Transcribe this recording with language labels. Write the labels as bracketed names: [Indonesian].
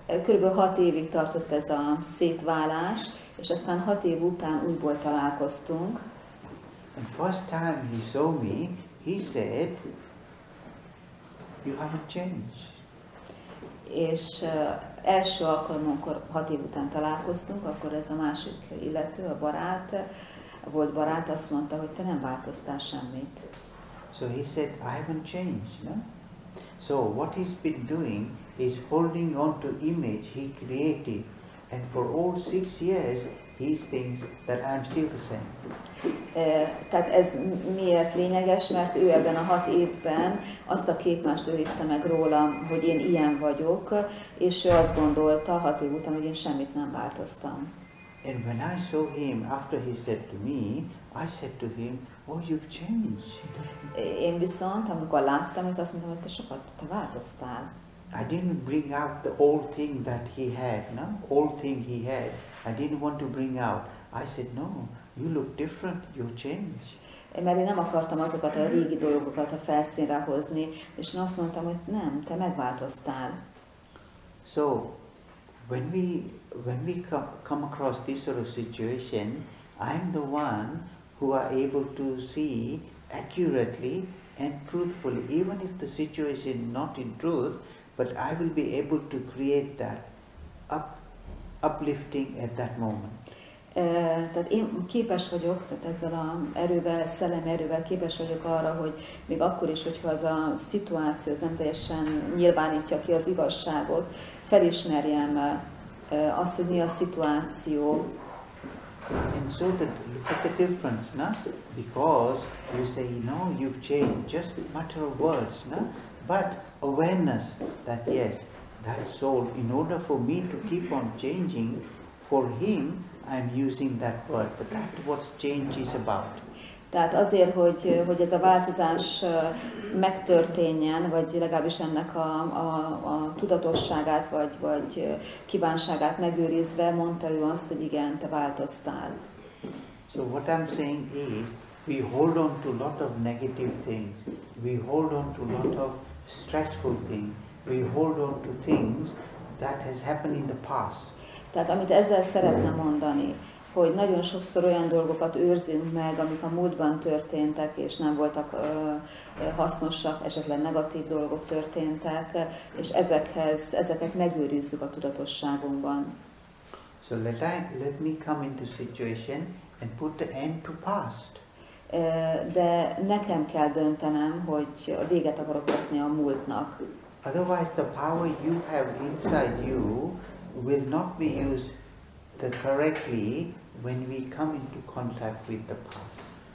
[Hungarian] Körülbelül 6 évig tartott ez a szétválás, és aztán 6 év után újból találkoztunk. [English] And first time he saw me, he said, "You haven't changed." [Hungarian] És első alkalommal, amikor 6 év után találkoztunk, akkor ez a másik illető, a barát, volt barát, azt mondta, hogy te nem változtál semmit. [English] So he said, "I haven't changed, no?" So what he's been doing is holding on to image he created, and for all 6 years he thinks that I'm still the same. [Hungarian] Tehát ez miért lényeges, mert ő ebben a 6 évben azt a képmást őrizte meg rólam, hogy én ilyen vagyok, és ő azt gondolta 6 év után, hogy én semmit nem változtam. [English] And when I saw him after he said to me, I said to him, "Oh, you've changed." [Hungarian] Én viszont, amikor láttam, hogy azt mondtam, hogy te sokat, te változtál. [English] I didn't bring out the old thing that he had, no? Old thing he had. I didn't want to bring out. I said, "No, you look different, you've changed." [Hungarian] Mert én nem akartam azokat a régi dolgokat a felszínre hozni, és én azt mondtam, hogy nem, te megváltoztál. [English] So, when we come across this sort of situation, I'm the one who are able to see accurately and truthfully, even if the situation not in truth, but I will be able to create that uplifting at that moment. [Hungarian] Tehát én képes vagyok, tehát ezzel a erővel, szellemi erővel képes vagyok arra, hogy még akkor is, hogyha az a szituáció az nem teljesen nyilvánítja ki az igazságot, felismerjem azt, hogy mi a szituáció. [English] And so that look at the difference, no? Because you say, "No, you've changed," just a matter of words, no? But awareness that yes, that soul, in order for me to keep on changing, for him, I'm using that word, but that's what change is about. [Hungarian] Tehát azért, hogy ez a változás megtörténjen, vagy legalábbis ennek a tudatosságát, vagy kívánságát megőrizve, mondta ő azt, hogy igen, te változtál. [English] So what I'm saying is, we hold on to a lot of negative things, we hold on to a lot of stressful things, we hold on to things that has happened in the past. [Hungarian] Tehát amit ezzel szeretne mondani, hogy nagyon sokszor olyan dolgokat őrzünk meg, amik a múltban történtek, és nem voltak hasznosak, esetleg negatív dolgok történtek, és ezeket megőrizzük a tudatosságunkban. [English] So let me come into situation and put the end to past. [Hungarian] De nekem kell döntenem, hogy a véget akarok kötni a múltnak. [English] Otherwise the power you have inside you will not be used correctly when we come into contact with the past.